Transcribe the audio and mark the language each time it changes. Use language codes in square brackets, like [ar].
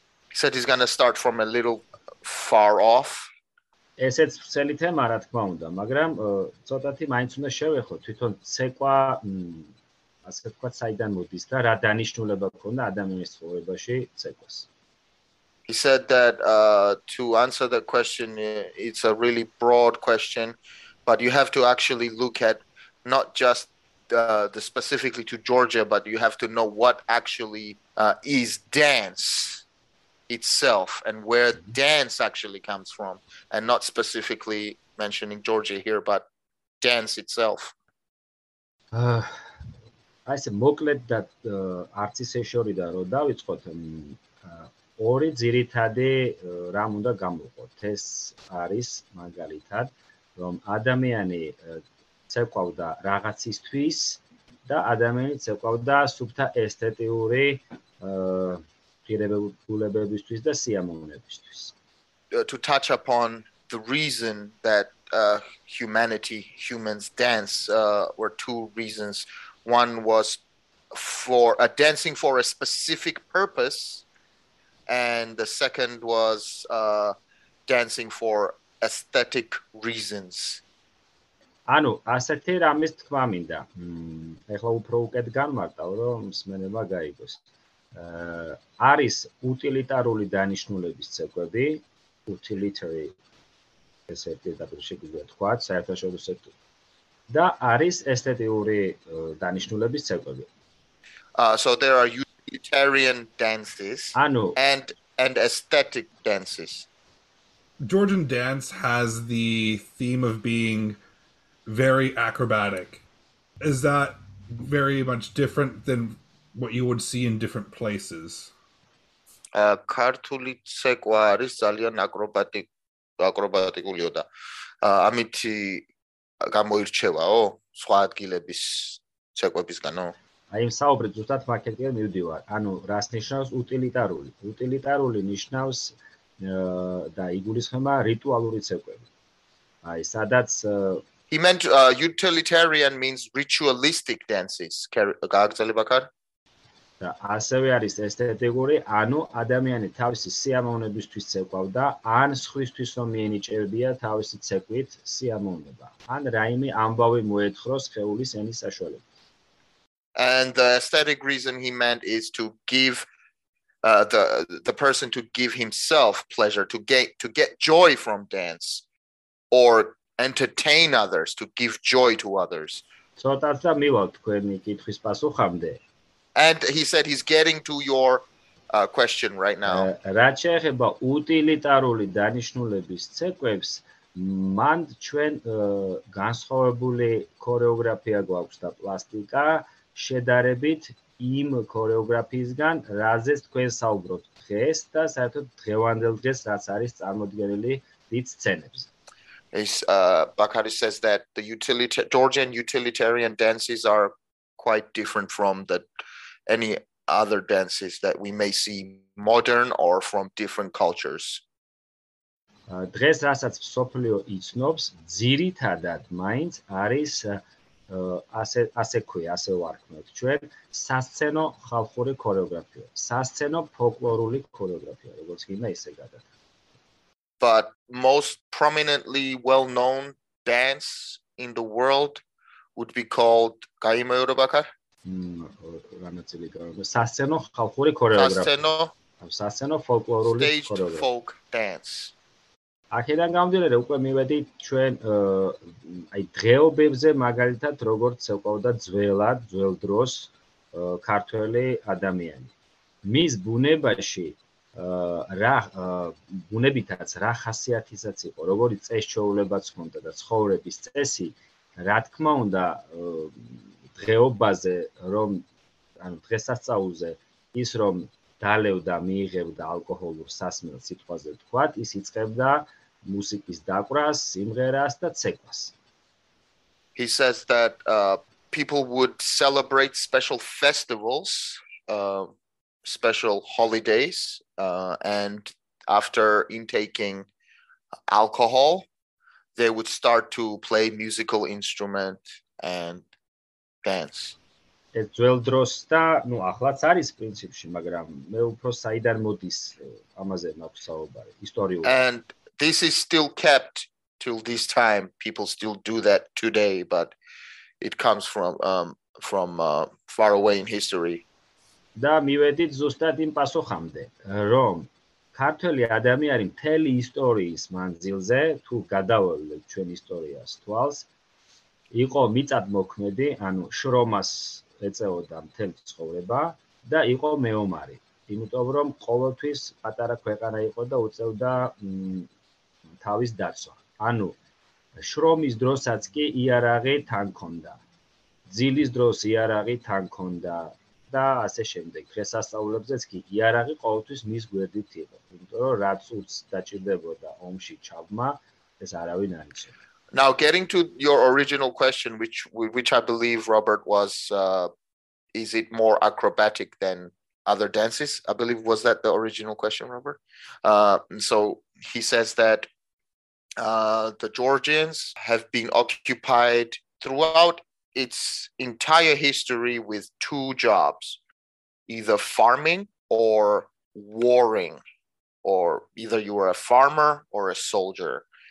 [en] He said he's going to start from a little far off. [ka] ესეც ვრცელი თემა რა თქმა უნდა, მაგრამ ცოტათი მაინც უნდა შევეხო თვითონ ცეკვა, ასე ვთქვათ, საიდან მოდის და რა დანიშნულება ქონდა ადამიანის ცხოვრებაში ცეკვას. [en] He said that to answer the question, it's a really broad question, but you have to actually look at not just the specifically to Georgia, but you have to know what actually is dance itself and where dance actually comes from, and not specifically mentioning Georgia here, but dance itself. I said, [ka] მოკლედ და არც ისე შორიდან რომ დავიწყოთ, ორი ძირითადი რამ უნდა გამოვყოთ. ეს არის მაგალითად, რომ ადამიანი ცეკვავდა რაღაცისთვის და ადამიანი ცეკვავდა სუფთა ესთეტიური ღირებულებებისთვის და სიამოვნებისთვის. [en] To touch upon the reason that humans dance were two reasons. One was for dancing for a specific purpose, and the second was dancing for aesthetic reasons. [ka] Ანუ ასეთი რამის თქმა მინდა. ეხლა უფრო უკეთ განმარტავ, რომ მსმენელმა გაიგოს. არის უტილიტარული დანიშნულების ცეკვები, utilitary, ესე შეგვიძლია თქვათ, საერთაშორისო ცეკვები. Და არის ესთეტიკური დანიშნულების ცეკვები. [en] So there are utilitarian dances and aesthetic dances. Georgian dance has the theme of being very acrobatic. Is that very much different than what you would see in different places? [ka] Kartuli tsekva aris zalyan akrobatikulio da amiti gamoirchevao sva adgilebis tsekvebisgano. აი საუბრი ზუსტად მაკეტიერ მივდივარ. ანუ რას ნიშნავს უტილიტარული? უტილიტარული ნიშნავს და იგულისხმება რიტუალური ცეკვები. აი სადაც [en] He meant utilitarian means ritualistic dances. [ka] გააგრძელე ბაქარ? და ასევე არის ესთეტიკური, ანუ ადამიანი თავისი სიამოვნებისთვის ცეკვავდა, ან სხვისთვის რომ მიენიჭებია თავისი ცეკვით სიამოვნება. ან რაიმე ამბავი მოეთხროს ხეულის ენის საშუალებით. [en] And the aesthetic reason he meant is to give the person to give himself pleasure, to get joy from dance, or entertain others, to give joy to others. So that's a [ka] miwalt kweni kitwis pasukhamde. [en] And he said he's getting to your question right now. [ka] Rachekheba utilitaruli danishnulebis tsekvebs man chven ganskhovebuli koreografia gvaqs da plastika. შედარებით იმ ქორეოგრაფიისგან, რაზე თქვენ საუბრობთ დღეს და საერთოდ დღევანდელ დღეს რაც არის წარმოდგენილი დიდ სცენებს. [en] Is Bakari says that the Georgian utilitarian dances are quite different from the any other dances that we may see modern or from different cultures. [ka] დღეს რასაც სოფლიო იცნობს, ძირითადად მაინც არის ასე ვარქმევთ ჩვენ სასცენო ხალხური ქორეოგრაფია, სასცენო ფოლკლორული ქორეოგრაფია, როგორც გინდა ისე გადათქვა. [en] But most prominently well known dance in the world would be called [ka] გაიმეორე ბაქარ? რამაცილი გამო სასცენო ხალხური ქორეოგრაფია. სასცენო ფოლკლორული ქორეოგრაფია. [en] Staged folk dance. [ka] აქედან გამომდინარე უკვე მივედი ჩვენ აი დღეობებზე, მაგალითად როგორც ცეკვავდა ძველ დროს ქართველი ადამიანი. მის ბუნებაში რა ბუნებითაც რა ხასიათისაც იყო, როგორი წესჩვეულებაც ჰქონდა და ცხოვრების წესი, რა თქმა უნდა დღეობაზე რომ ანუ დღესასწაულზე ის რომ დალევდა, მიიღებდა ალკოჰოლურ სასმელს, სიტყვაზე ვთქვათ, ის იწყებდა მუსიკის დაკვრას, სიმღერას და ცეკვას. [en] He says that people would celebrate special festivals, special holidays, and after intaking alcohol, they would start to play musical instrument and dance. [ka] ეს ძველ დროს და ნუ ახლაც არის პრინციპში, მაგრამ მე უფრო საიდან მოდის ამაზე მაქვს საუბარი ისტორიულად. [en] And this is still kept till this time. People still do that today, but it comes from far away in history. [ka] და მივედით ზუსტად იმ პასუხამდე, რომ ქართველი ადამიანი მთელი ისტორიის მანძილზე, თუ გადავალ ჩვენ ისტორიას თვალს, იყო მიწადმოქმედი, ანუ შრომას ეწეოდა მთელ ცხოვრება და იყო მეომარი. იმიტომ რომ ყოველთვის პატარა ქვეყანა იყო და უწევდა თავის დაცვა. ანუ შრომის დროსაც კი იარაღი თან ჰქონდა. ძილის დროს იარაღი თან ჰქონდა და ასე შემდეგ. დღესასწაულებზეც კი იარაღი ყოველთვის მის გვერდით იყო. იმიტომ რომ რაც უც დაჭირდებოდა ომში ჩაბმა, ეს არავინ არიცოდა. [en] Now, getting to your original question, which I believe Robert was, is it more acrobatic than other dances? I believe was that the original question, Robert? So he says that the Georgians have been occupied throughout its entire history with two jobs, either farming or warring, or either you were a farmer or a soldier.